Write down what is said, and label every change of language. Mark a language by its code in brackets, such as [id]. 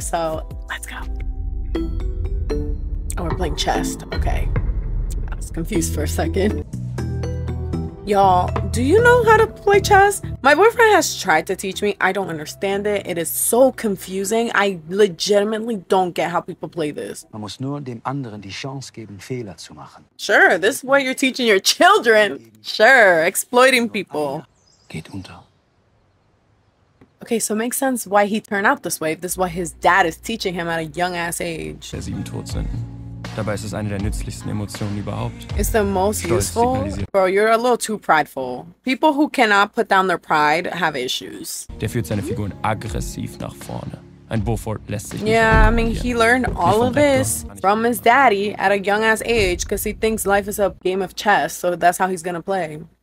[en] So let's go. Oh, we're playing chess. Okay. I was confused for a second. Y'all, do you know how to play chess? My boyfriend has tried to teach me. I don't understand it. It is so confusing. I legitimately don't get how people play this. [de] Man muss nur dem anderen die Chance geben, Fehler zu machen. [en] Sure, this is what you're teaching your children. Sure, exploiting people. [de] Geht unter. [en] Okay, so it makes sense why he turned out this way. This is what his dad is teaching him at a young ass age. [de] Der sieben Todsünden. Dabei ist es eine der nützlichsten Emotionen überhaupt. [en] It's the most useful. Bro, you're a little too prideful. People who cannot put down their pride have issues. [de] Der führt seine Figuren aggressiv nach vorne. Ein Beaufort lässt sich nicht. [en] Yeah, I mean, he learned all of this from his daddy at a young ass age because he thinks life is a game of chess, so that's how he's gonna play.